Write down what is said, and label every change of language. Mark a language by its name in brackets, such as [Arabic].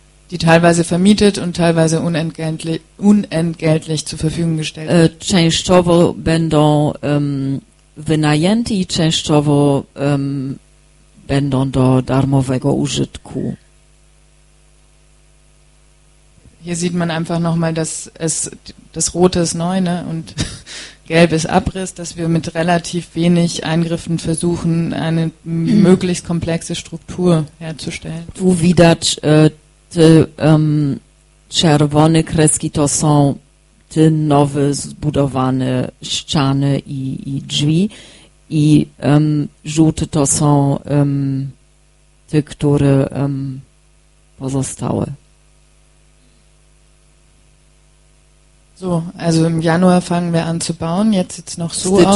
[German] Die teilweise vermietet und teilweise unentgeltlich zur Verfügung gestellt. [Polish] Częściowo będą wynajęte i częściowo będą do darmowego użytku. [German] Hier sieht man einfach nochmal, dass es das Rote ist neu, ne? Und gelb ist Abriss, dass wir mit relativ wenig Eingriffen versuchen, eine möglichst komplexe Struktur herzustellen. [Polish] Tu widać, te czerwone kreski to są te nowe zbudowane ściany i drzwi. I żółte to są te, które pozostały. [German] So, also im Januar fangen wir an zu bauen, jetzt sieht's noch so aus.